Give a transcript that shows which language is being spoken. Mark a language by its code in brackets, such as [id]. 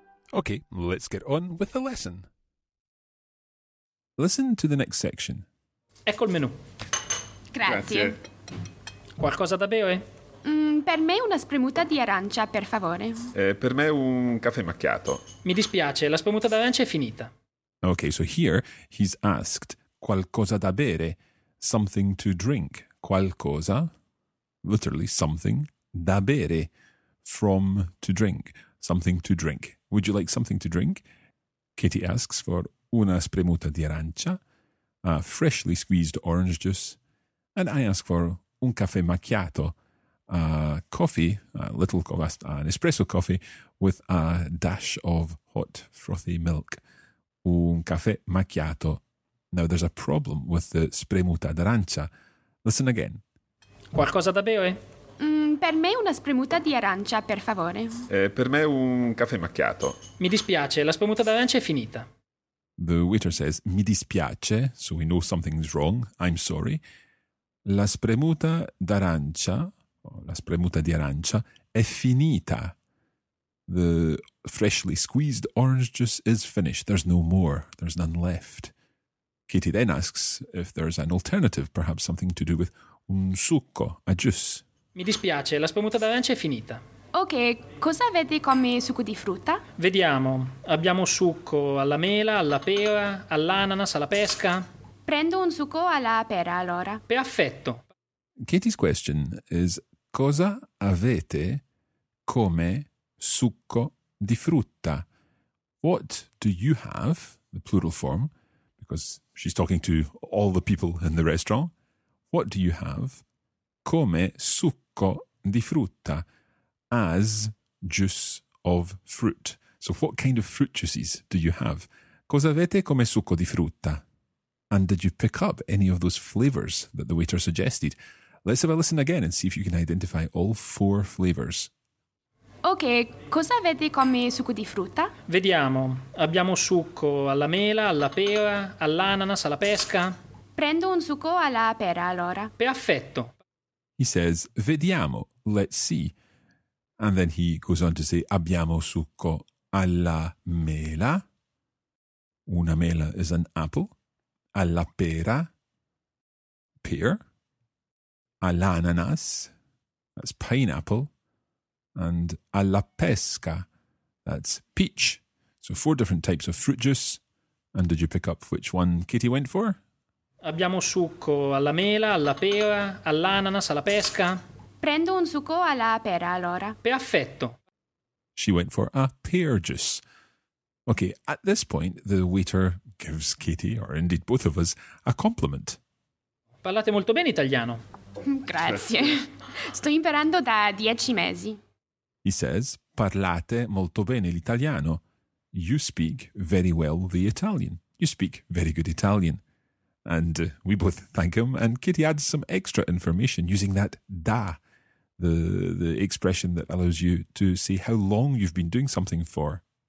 [en] Okay, let's get on with the lesson. Listen to the next section. [it] Ecco il menù. Grazie. Qualcosa da bere? Per me una spremuta di arancia, per favore. Per me un caffè macchiato. Mi dispiace, la spremuta d'arancia è finita. [en] Okay, so here he's asked [it] qualcosa da bere, [en] something to drink. Qualcosa, literally something, [it] da bere, [en] from to drink, something to drink. Would you like something to drink? Katie asks for [it] una spremuta di arancia, [en] a freshly squeezed orange juice. And I ask for [it] un caffè macchiato, [en] a coffee, a little coffee, an espresso coffee with a dash of hot frothy milk. [it] Un caffè macchiato. [en] Now there's a problem with the spremuta d'arancia. Listen again. [it] Qualcosa da bere? Per me una spremuta di arancia, per favore. Per me un caffè macchiato. Mi dispiace, la spremuta d'arancia è finita. [en] The waiter says, [it] mi dispiace, [en] so we know something's wrong, I'm sorry. [it] La spremuta d'arancia, la spremuta di arancia, è finita. [en] The freshly squeezed orange juice is finished. There's no more, there's none left. Katie then asks if there's an alternative, perhaps something to do with [it] un succo, [en] a juice. [it] Mi dispiace, la spremuta d'arancia è finita. Ok, cosa avete come succo di frutta? Vediamo, abbiamo succo alla mela, alla pera, all'ananas, alla pesca. Prendo un succo alla pera, allora. Perfetto. [en] Katie's question is, [it] cosa avete come succo di frutta? [en] What do you have, the plural form, because she's talking to all the people in the restaurant. What do you have? [it] Come succo di frutta, [en] as juice of fruit. So what kind of fruit juices do you have? [it] Cosa avete come succo di frutta? [en] And did you pick up any of those flavours that the waiter suggested? Let's have a listen again and see if you can identify all 4 flavours. [it] Ok, cosa avete come succo di frutta? Vediamo, abbiamo succo alla mela, alla pera, all'ananas, alla pesca. Prendo un succo alla pera, allora. Perfetto. [en] He says, vediamo, let's see. And then he goes on to say, [it] abbiamo succo alla mela. [en] Una mela is an apple. [it] Alla pera, [en] pear. [it] All'ananas, [en] that's pineapple. And [it] alla pesca, [en] that's peach. So 4 different types of fruit juice. And did you pick up which one Katie went for? [it] Abbiamo succo alla mela, alla pera, all'ananas, alla pesca. Prendo un succo alla pera, allora. Perfetto. [en] She went for a pear juice. Okay, at this point, the waiter gives Katie, or indeed both of us, a compliment. [it] Parlate molto bene italiano. Grazie. Sto imperando da 10 mesi. [en] He says, [it] parlate molto bene l'italiano. [en] You speak very well the Italian. You speak very good Italian. And we both thank him, and Katie adds some extra information using that da, the expression that allows you to see how long you've been doing something for.